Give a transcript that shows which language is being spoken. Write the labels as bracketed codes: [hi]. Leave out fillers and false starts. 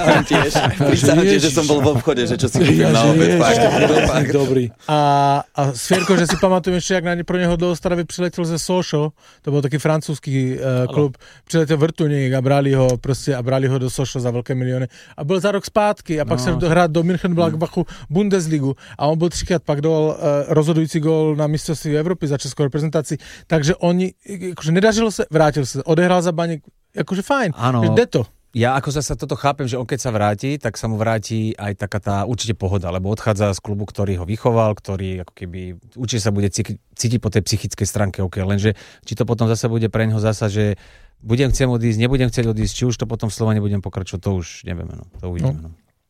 [sk] Prisahám tiež, že som bol v obchode, že čo si kúpil na obed. Dobrý. A Svierkoš, že si pamatujem ešte, jak na ne pro neho do Ostravy priletel ze Sošo, to bol taký francúzsky klub, priletel vrtuník a brali ho do Sošo za veľké milióny. [cs] A bol za rok zpátky a pak sa hrať do Mönchengladbachu Bundesligu a on bol třikrát pak dal rozhodující gól na mistrovství Evropy za českou reprezentaci, takže oni, jakože nedařilo se, vrátil se, odehrál za Baník, jakože fajn, ano, jde to. [sk] Ja ako zase toto chápem, že on keď sa vráti, tak sa mu vráti aj taká tá určite pohoda, lebo odchádza z klubu, ktorý ho vychoval, ktorý ako keby určite sa bude cítiť po tej psychickej stránke, okay, lenže či to potom zase bude pre neho zasa, že budem chcieť odísť, nebudem chcieť odísť, či už to potom v Slovane budem pokračovať, to už nevieme, no, to uvidíme.